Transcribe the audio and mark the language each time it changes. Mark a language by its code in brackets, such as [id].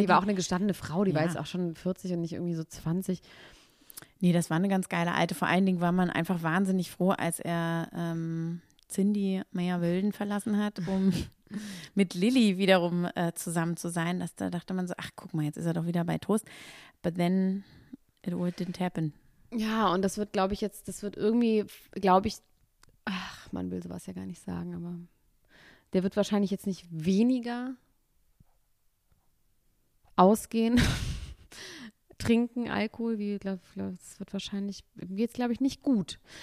[de] die war auch eine gestandene Frau. Die war jetzt auch schon 40 und nicht irgendwie so 20. Nee, das war eine ganz geile Alte. Vor allen Dingen war man einfach wahnsinnig froh, als er Cindy Meyer-Wilden verlassen hat, um mit Lilly wiederum zusammen zu sein. Da dachte man so, ach guck mal, jetzt ist er doch wieder bei Toast. [en] But then it all didn't happen. [de] Ja, und das wird, glaube ich, jetzt, das wird irgendwie, glaube ich, ach, man will sowas ja gar nicht sagen, aber der wird wahrscheinlich jetzt nicht weniger ausgehen. Trinken, Alkohol, wie glaub, das wird wahrscheinlich, geht es glaube ich nicht gut.